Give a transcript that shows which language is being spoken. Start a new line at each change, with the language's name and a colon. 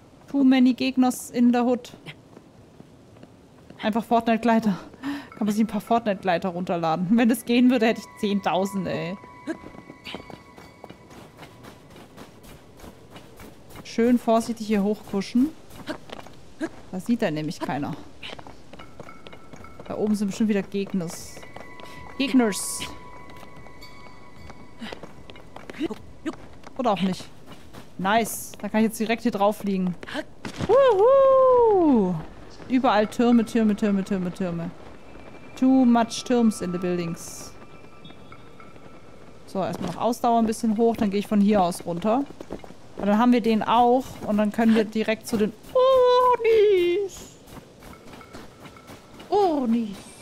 English: Too many Gegners in the hood.
German: Einfach Fortnite-Gleiter. Kann man sich ein paar Fortnite-Gleiter runterladen. Wenn das gehen würde, hätte ich 10.000, ey. Schön vorsichtig hier hochkuschen. Da sieht er nämlich keiner. Da oben sind bestimmt wieder Gegners. Gegners. Oder auch nicht. Nice. Da kann ich jetzt direkt hier drauf fliegen. Wuhu! Überall Türme, Türme, Türme, Türme, Türme.
English: Too much Türme in the buildings.
German: So, erstmal noch Ausdauer ein bisschen hoch, dann gehe ich von hier aus runter. Und dann haben wir den auch und dann können wir direkt zu den Urnis. Urnis.